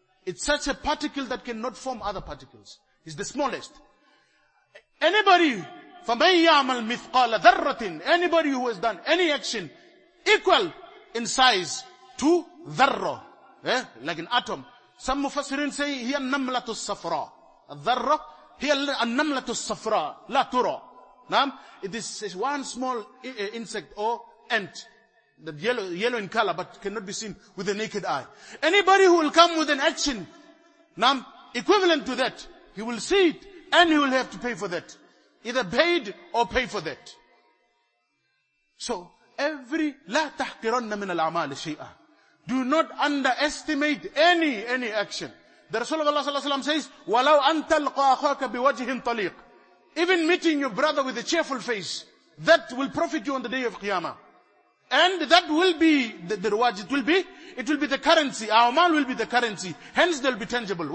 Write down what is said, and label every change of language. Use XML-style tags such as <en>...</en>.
<en>It's such a particle that cannot form other particles. It's the smallest. Anybody,</en> <ar>فَمَنْ يَعْمَلْ مِثْقَالَ ذَرَّةٍ,</ar> <en>anybody who has done any action equal in size to dharra, like an atom. Some mufassirin say,</en> <ar>هي النملة الصفراء. الذرة هي النملة الصفراء. لا ترى. نعم.</ar> <en>It is one small insect or ant. That yellow in color, but cannot be seen with the naked eye. Anybody who will come with an action, نعم, equivalent to that, he will see it and he will have to pay for that. Either paid or pay for that. So, every,</en> <ar>لا تحقرن من الأعمال شيئا.</ar> <en>Do not underestimate any action. The Rasul of Allah Sallallahu Alaihi Wasallam says,</en> <ar>وَلَوْ أَن تَلْقَى أَخَاكَ بِوَجْهٍ طَلِيقٍ.</ar> <en>Even meeting your brother with a cheerful face, that will profit you on the day of Qiyamah. And that will be the reward. It will be the currency. A'mal will be the currency. Hence they'll be tangible.</en>